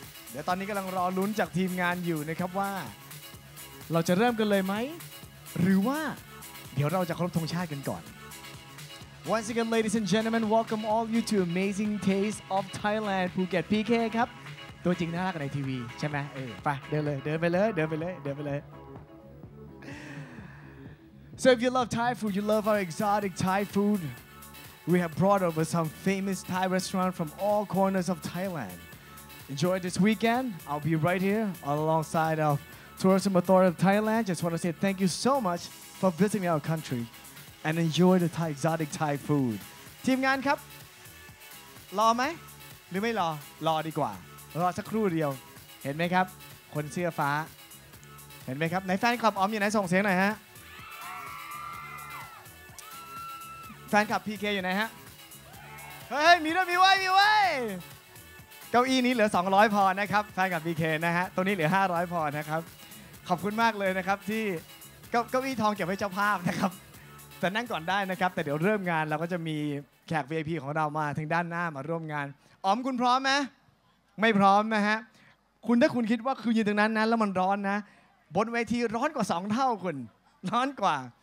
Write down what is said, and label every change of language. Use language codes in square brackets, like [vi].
[th] เดี๋ยวตอนนี้กำลังรอลุ้นจากทีมงานอยู่นะครับว่าเราจะเริ่มกันเลยไหมหรือว่าเดี๋ยวเราจะครบธงชาติกันก่อน [en] Once again ladies and gentlemen welcome all you to amazing taste of Thailand Phuket PK [th] ครับตัวจริงน่ารักในทีวีใช่ไหมเออไปเดินเลยเดินไปเลยเดินไปเลยเดินไปเลย [en] So if you love Thai food, you love our exotic Thai food, we have brought over some famous Thai restaurants from all corners of Thailand. Enjoy this weekend. I'll be right here alongside of Tourism Authority of Thailand. Just want to say thank you so much for visiting our country and enjoy the Thai exotic Thai food. [th] ทีมงานครับรอไหมหรือไม่รอรอดีกว่ารอสักครู่เดียวเห็นไหมครับคนเสื้อฟ้าเห็นไหมครับในแฟนคลับออมอยู่ไหนส่งเสียงหน่อยฮะ แฟนคลับ PK อยู่ไหนฮะเฮ้ยมีด้วยมีไว้มีไว้เก้าอี้นี้เหลือ200พอนะครับแฟนคลับ PK นะฮะตรงนี้เหลือ500พอนะครับขอบคุณมากเลยนะครับที่เก้าอี้ทองเก็บไว้เจ้าภาพนะครับแต่นั่งก่อนได้นะครับแต่เดี๋ยวเริ่มงานเราก็จะมีแขก VIP ของเรามาทางด้านหน้ามาร่วมงานออมคุณพร้อมไหมไม่พร้อมนะฮะคุณถ้าคุณคิดว่าคืนอยู่ตรงนั้นนะแล้วมันร้อนนะบนเวทีร้อนกว่า2เท่าคุณร้อนกว่า